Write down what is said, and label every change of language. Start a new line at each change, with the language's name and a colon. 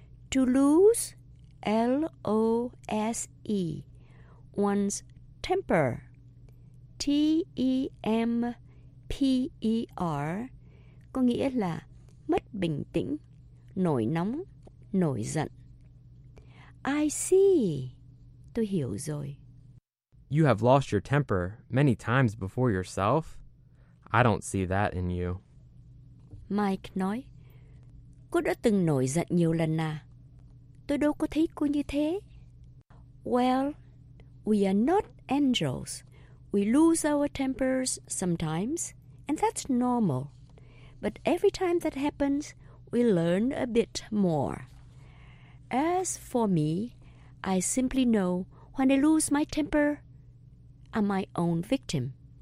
English: To lose, L-O-S-E, one's temper, T-E-M-P-E-R,
Vietnamese: có nghĩa là mất bình tĩnh, nổi nóng, nổi giận.
English: I see.
Vietnamese: Tôi hiểu rồi.
English: You have lost your temper many times before yourself. I don't see that in you.
Vietnamese: Mike nói, cô đã từng nổi giận nhiều lần à? Tôi đâu có thấy cô như thế.
English: Well, we are not angels. We lose our tempers sometimes, and that's normal. But every time that happens, we learn a bit more. As for me, I simply know when I lose my temper, I'm my own victim.